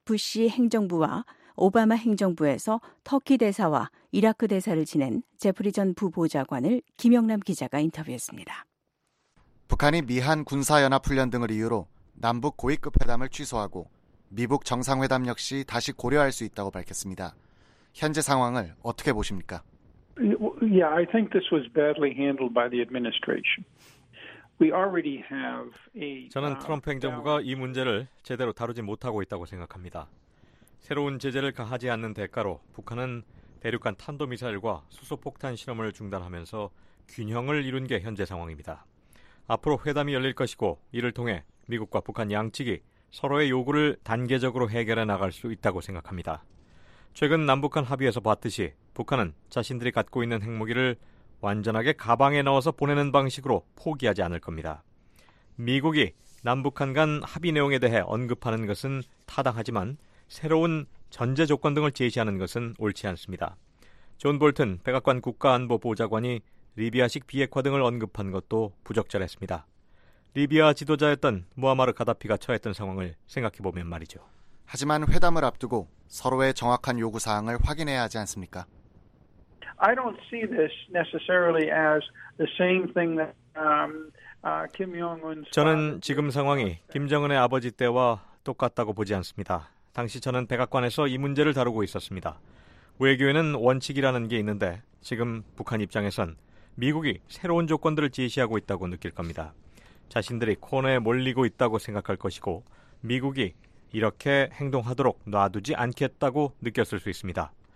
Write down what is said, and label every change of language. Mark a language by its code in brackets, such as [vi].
[ko] 부시 행정부와 오바마 행정부에서 터키 대사와 이라크 대사를 지낸 제프리 전 부보좌관을 김영남 기자가 인터뷰했습니다. 북한이 미한 군사연합훈련 등을 이유로 남북 고위급 회담을 취소하고 미북 정상회담 역시 다시 고려할 수 있다고 밝혔습니다. 현재 상황을 어떻게 보십니까? [en] Yeah, I think this was badly handled by the administration. [ko] 저는 트럼프 행정부가 이 문제를 제대로 다루지 못하고 있다고 생각합니다. 새로운 제재를 가하지 않는 대가로 북한은 대륙간 탄도미사일과 수소폭탄 실험을 중단하면서 균형을 이룬 게 현재 상황입니다. 앞으로 회담이 열릴 것이고 이를 통해 미국과 북한 양측이 서로의 요구를 단계적으로 해결해 나갈 수 있다고 생각합니다. 최근 남북한 합의에서 봤듯이 북한은 자신들이 갖고 있는 핵무기를 완전하게 가방에 넣어서 보내는 방식으로 포기하지 않을 겁니다. 미국이 남북한 간 합의 내용에 대해 언급하는 것은 타당하지만 새로운 전제 조건 등을 제시하는 것은 옳지 않습니다. 존 볼튼 백악관 국가안보보좌관이 리비아식 비핵화 등을 언급한 것도 부적절했습니다. 리비아 지도자였던 무아마르 가다피가 처했던 상황을 생각해보면 말이죠. 하지만 회담을 앞두고 서로의 정확한 요구사항을 확인해야 하지 않습니까? [en] I don't see this necessarily as the same thing that Kim Jong-un. [ko] 저는 지금 상황이 김정은의 아버지 때와 똑같다고 보지 않습니다. 당시 저는 백악관에서 이 문제를 다루고 있었습니다. 외교에는 원칙이라는 게 있는데 지금 북한 입장에선 미국이 새로운 조건들을 제시하고 있다고 느낄 겁니다. 자신들이 코너에 몰리고 있다고 생각할 것이고 미국이 이렇게 행동하도록 놔두지 않겠다고 느꼈을 수 있습니다.